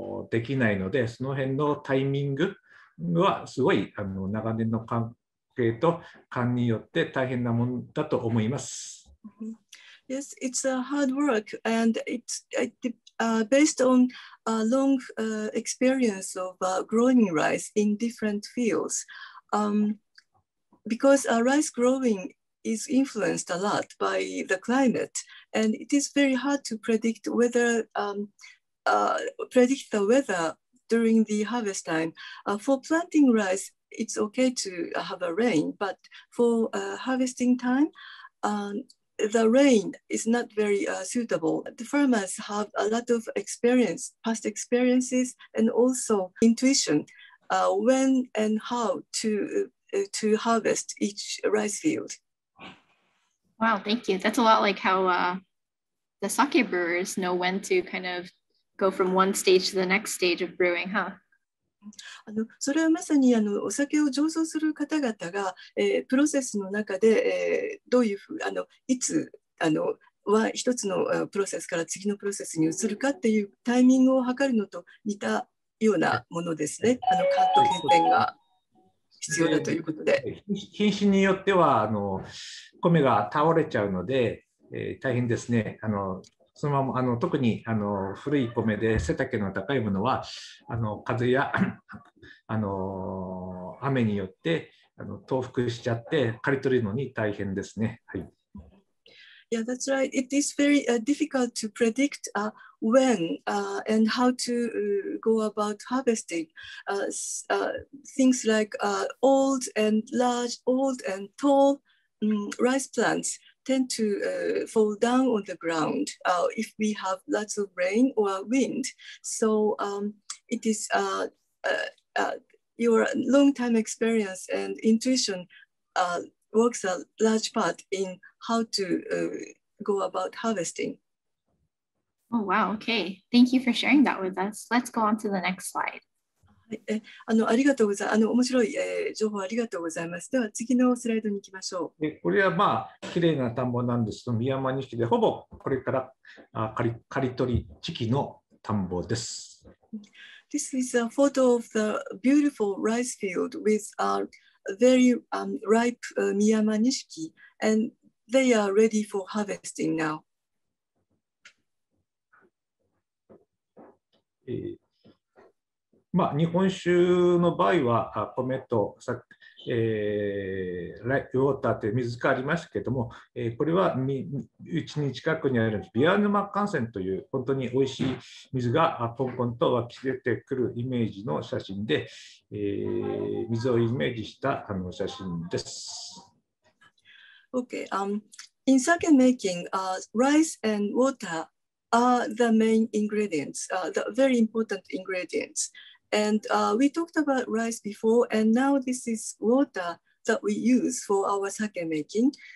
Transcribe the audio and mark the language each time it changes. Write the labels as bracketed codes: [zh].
[ja] できないので、その辺のタイミングはすごい長年の関係と勘によって大変なものだと思います。 [en] Yes, it's a hard work and it's based on a long experience of growing rice in different fields. Because rice growing is influenced a lot by the climate, and it is very hard to predict whether predict the weather. During the harvest time. For planting rice, it's okay to have a rain, but for harvesting time, the rain is not very suitable. The farmers have a lot of experience, past experiences, and also intuition when and how to harvest each rice field. Wow, thank you. That's a lot like how the sake brewers know when to kind of. Go from one stage to the next stage of brewing, huh? [ja] それはまさにお酒を醸造する方々が、プロセスの中で、どういうふう、いつ、は一つのプロセスから次のプロセスに移るかっていうタイミングを測るのと似たようなものですね。カート変遷が必要だということで。品種によっては米が倒れちゃうので、大変ですね。そのまま特に古い米で背丈の高いものは風や雨によって倒伏しちゃって刈り取るのに大変ですね。はい。 [en] Yeah, that's right. It is very difficult to predict when and how to go about harvesting. Things like old and tall rice plants. Tend to fall down on the ground if we have lots of rain or wind. So it is your long time experience and intuition works a large part in how to go about harvesting. Oh, wow. Okay. Thank you for sharing that with us. Let's go on to the next slide. [ja] ありがとうございます。面白い、情報ありがとうございます。では次のスライドに行きましょう。でこれはまあ綺麗な田んぼなんですけど、三山錦でほぼこれから刈り取り時期の田んぼです。 [en] This is a photo of the beautiful rice field with a very ripe 三山錦 and they are ready for harvesting now. [ja] まあ、日本酒の場合は米とさ、ウォーターという水がありますけれども、これはうちに近くにあるビアヌマ幹線という本当に美味しい水がポンポンと湧き出てくるイメージの写真で、水をイメージした写真です。 [en] Okay. In sake making, rice and water are the main ingredients, the very important ingredients. And we talked about rice before, and now this is water that we use for our sake making.